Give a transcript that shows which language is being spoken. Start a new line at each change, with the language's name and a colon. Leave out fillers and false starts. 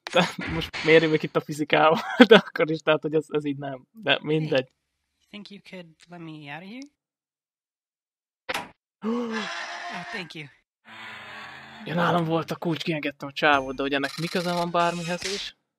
Hungarian: De most mérjük itt a fizikával, de akkor is, tehát, hogy ez így nem. De mindegy.
English: Hey, think you could let me out of here? Oh, thank you.
Hungarian: Ja, nálam volt a kulcs, kiengedtem a csávot, de hogy ennek mi köze van bármihez is?